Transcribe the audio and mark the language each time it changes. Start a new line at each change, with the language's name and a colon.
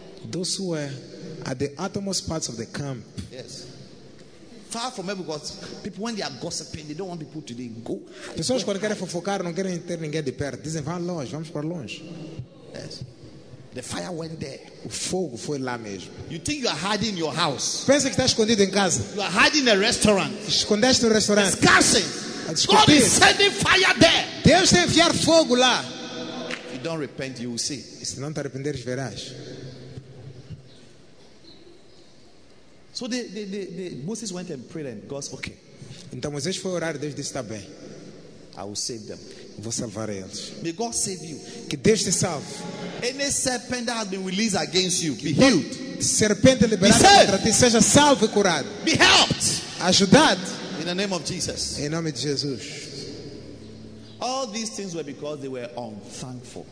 English: Those who were at the uttermost parts of the camp. Yes. Far from everybody, because people, when they are gossiping, they don't want people to go.
Portuguese: Pessoas quando querem fofocar não querem ter ninguém de perto. Dizem, vá longe, vamos para longe.
English: Yes. The fire went there.
Portuguese: O fogo foi lá mesmo.
English: You think you are hiding in your house?
Portuguese: Pensa que está escondido em casa.
English: You are hiding in a restaurant.
Portuguese: Escondeste no restaurante.
English: Discussing. God is sending fire there.
Portuguese: Deus está enviar fogo lá.
English: If you don't repent, you will see.
Portuguese: Se não te arrependeres, verás.
English: So the Moses went and prayed and God said, okay.
Portuguese: Então Moisés foi orar e Deus disse, está bem.
English: I will save them.
Portuguese: Vou salvar eles.
English: May God save you.
Portuguese: Que Deus te salve.
English: Any serpent that has been released against you, be healed.
Portuguese: Serpente liberada contra ti, seja salvo e curado.
English: Be helped.
Portuguese: Ajudado.
English: In the name of Jesus.
Portuguese: Em nome de Jesus.
English: All these things were because they were unthankful.